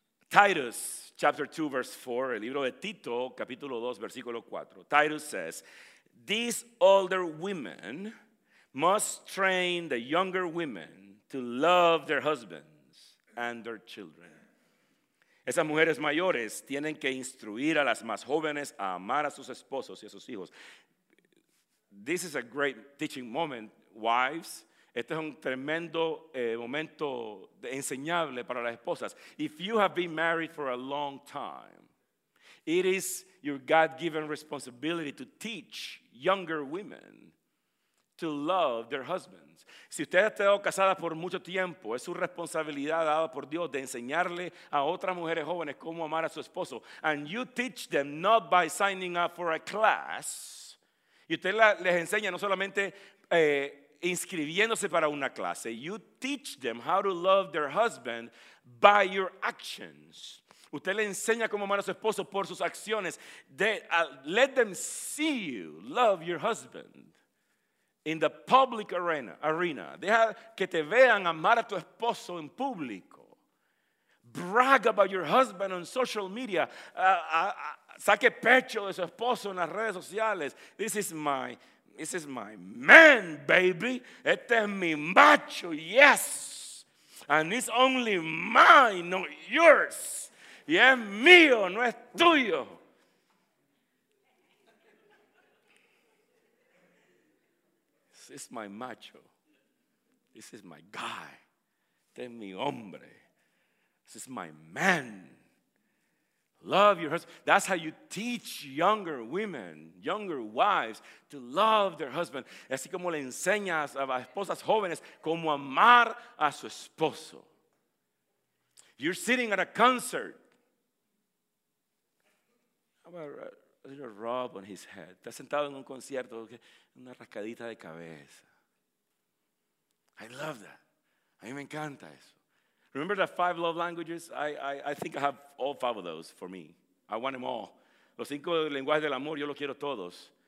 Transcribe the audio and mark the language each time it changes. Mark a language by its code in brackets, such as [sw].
[en] Titus chapter 2 verse 4, [es] el libro de Tito capítulo 2 versículo 4. [en] Titus says, these older women must train the younger women to love their husbands and their children. [es] Esas mujeres mayores tienen que instruir a las más jóvenes a amar a sus esposos y a sus hijos. [en] This is a great teaching moment, wives. [es] Este es un tremendo momento de enseñable para las esposas. [en] If you have been married for a long time, it is your God-given responsibility to teach younger women to love their husbands. [es] Si usted ha estado casada por mucho tiempo, es su responsabilidad dada por Dios de enseñarle a otras mujeres jóvenes cómo amar a su esposo. [en] And you teach them not by signing up for a class. [es] Y usted les enseña no solamente inscribiéndose para una clase. [en] You teach them how to love their husband by your actions. [es] Usted le enseña cómo amar a su esposo por sus acciones. [en] Let them see you love your husband in the public arena. [es] Deja que te vean amar a tu esposo en público. [en] Brag about your husband on social media. [es] Saque pecho de su esposo en las redes sociales. [en] This is my man, baby. [es] Este es mi macho, [en] yes. And it's only mine, not yours. [es] Y es mío, no es tuyo. [en] This is my macho. This is my guy. [es] Este es mi hombre. [en] This is my man. Love your husband. That's how you teach younger women, younger wives, to love their husband. [es] Así como le enseñas a esposas jóvenes cómo amar a su esposo. [en] You're sitting at a concert. How about a little rub on his head? [es] Estás sentado en un concierto, una rascadita de cabeza. [en] I love that. [es] A mí me encanta eso. [en] Remember the five love languages? I think I have all five of those for me. I want them all. [es] Los cinco lenguajes del amor, yo los quiero todos.